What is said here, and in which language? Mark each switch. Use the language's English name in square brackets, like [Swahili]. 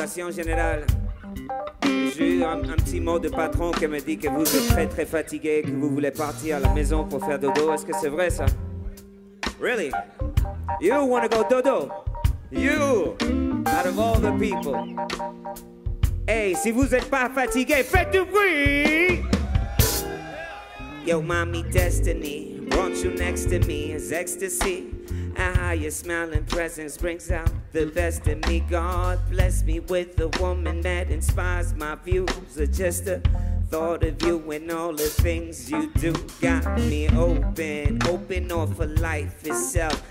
[French] Général, j'ai eu un petit mot de patron qui me dit que vous êtes très très fatigué, que vous voulez partir à la maison pour faire dodo. Est-ce que c'est vrai ça? [English] Really? You wanna go dodo? You, out of all the people. [French] Hey, si vous êtes pas fatigué, faites du bruit! [English] Yo, mommy, destiny, want you next to me, is ecstasy. Ah, your smiling presence brings out the best in me. God bless me with the woman that inspires my views. Just a thought of you and all the things you do got me open, open all for life itself.